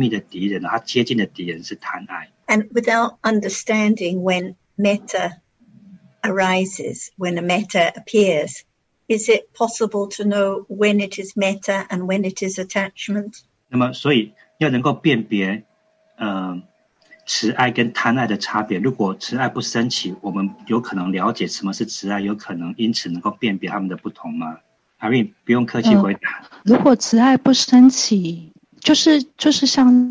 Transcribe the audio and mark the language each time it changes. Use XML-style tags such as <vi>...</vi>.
<zh>通常我们看到我们喜欢的朋友我们在打招呼在问候的时候我们是很开心的那个时候我们也许会以为我们是在为对方着想或者是友善可是事实上通常可能是有很多的贪爱很高兴看到我们喜欢的朋友那么所以贪慈爱的最亲密的敌人他接近的敌人是贪爱。And</zh> <en>without understanding when metta arises, when a metta appears, is it possible to know when it is metta and when it is attachment?</en> <zh>那么所以要能够辨别慈爱跟贪爱的差别，如果慈爱不升起，我们有可能了解什么是慈爱，有可能因此能够辨别他们的不同吗？ Irene, 不用客气回答。如果慈爱不升起，就是像</zh>